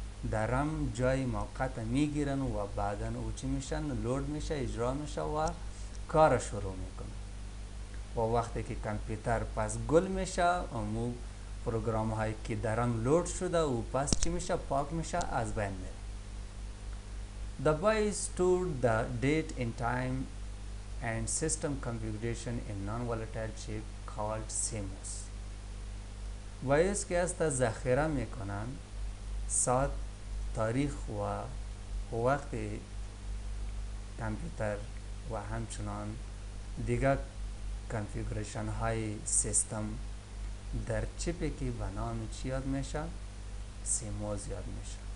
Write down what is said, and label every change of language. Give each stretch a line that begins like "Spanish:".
Persian: در رم جای موقت میگیرن و بعدا او چی میشن؟ لود میشه، اجرا میشه و کار شروع میکنن. و وقتی که کامپیوتر پس گل میشه امو پروگرام هایی که درم لود شده و پس چی میشه؟ پاک میشه، از بین میره.
English: The BIOS stored the date and time and system configuration in non-volatile chip called CMOS.
Persian: BIOS که از تا ذخیره میکنن ساعت، تاریخ و وقت کامپیوتر و همچنان دیگر کانفیگوریشن های سیستم در چپی که به نام چی یاد میشه؟ سیموز یاد میشه.